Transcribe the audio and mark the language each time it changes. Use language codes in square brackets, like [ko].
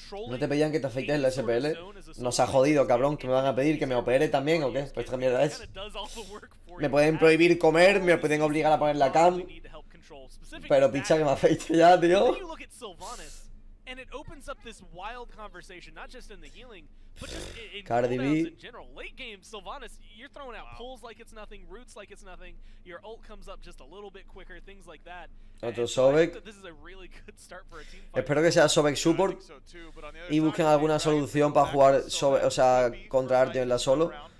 [es] No te pedían que te afectes la SPL. Nos ha jodido, cabrón, que me van a pedir que me opere también, ¿o qué? Pues esta mierda es. Me pueden prohibir comer, me pueden obligar a poner la cam. [en] control, specifically. [es] Pero picha que me afeite ya, tío. [en] You look at Sylvanas, and it opens up this wild conversation, not just in the healing, but just in general. Late game, Sylvanas, you're throwing out pulls like it's nothing, roots like it's nothing. Your ult comes up just a little bit quicker, things like that. [es] Otro Sobek. [en] This is a really good start for a team fight. [es] Espero que sea Sobek support y busquen alguna solución para jugar Sobek, o sea, contra Artyom en la solo.